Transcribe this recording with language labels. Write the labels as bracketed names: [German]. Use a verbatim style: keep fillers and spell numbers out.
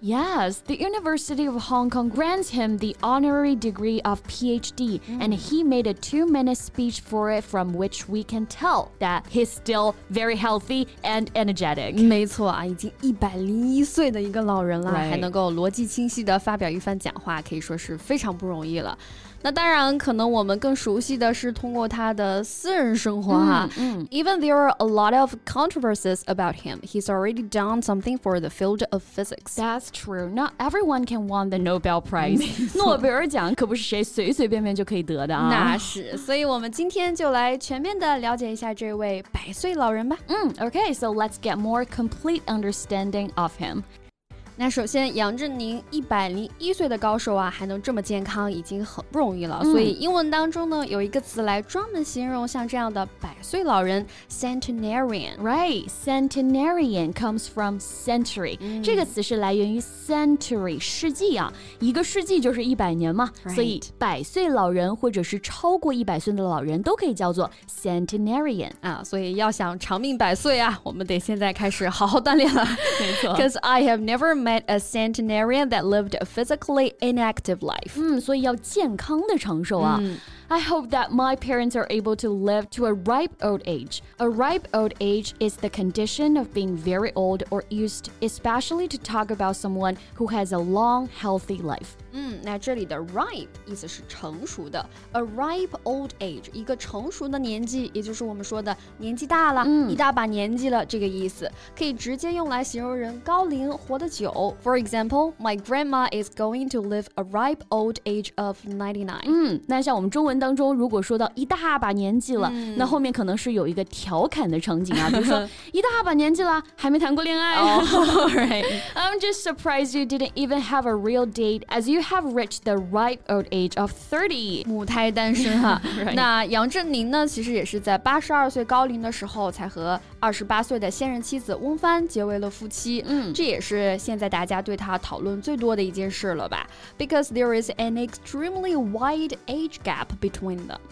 [English] Yes, the University of Hong Kong grants him the honorary degree of PhD, and he made a two-minute speech for it from which we can tell that he's still very healthy and energetic. [Chinese] 没错啊，已经一百零一岁的一个老人了， [English] Right. [Chinese] 还能够逻辑清晰的发表一番讲话，可以说是非常不容易了。那当然，可能我们更熟悉的是通过他的私人生活哈。嗯嗯 [English] Even there are a lot of controversies about him. He's already done something for the field of physics. That's true. Not everyone can win the Nobel Prize. [Chinese] 诺贝尔奖可不是谁随随便便就可以得的啊。那是，所以我们今天就来全面的了解一下这位百岁老人吧。 [English] 嗯 Okay, so let's get more complete understanding of him. [Chinese] 那首先杨振宁一百零一岁的高手啊还能这么健康已经很不容易了、嗯、所以英文当中呢有一个词来专门形容像这样的百岁老人 centenarian [English] Right, centenarian comes from century、 [Chinese] 嗯、这个词是来源于 century 世纪啊一个世纪就是一百年嘛、 [English] right. [Chinese] 所以百岁老人或者是超过一百岁的老人都可以叫做 centenarian 啊所以要想长命百岁啊我们得现在开始好好锻炼了没错 [English] Because I have never met a centenarian that lived a physically inactive life. [Chinese] 嗯，所以要健康的长寿啊。嗯 [English] I hope that my parents are able to live to a ripe old age. A ripe old age is the condition of being very old or used especially to talk about someone who has a long, healthy life. [Chinese] 嗯，那这里的 ripe 意思是成熟的 [English] A ripe old age, [Chinese] 一个成熟的年纪，也就是我们说的年纪大了、嗯、一大把年纪了这个意思，可以直接用来形容人高龄活得久。 [English] For example, my grandma is going to live a ripe old age of ninety-nine. [Chinese] 嗯，那像我们中文当中如果说到一大把年纪了、嗯、那后面可能是有一个调侃的场景啊比如说一大把年纪了还没谈过恋爱、 [English] oh, right. I'm just surprised you didn't even have a real date as you have reached the ripe old age of thirty [Chinese] 母胎单身哈、 [English] right. [Chinese] 那杨振宁呢其实也是在八十二岁高龄的时候才和二十八岁的现任妻子翁帆结为了夫妻、嗯、这也是现在大家对他讨论最多的一件事了吧 [English] Because there is an extremely wide age gap between them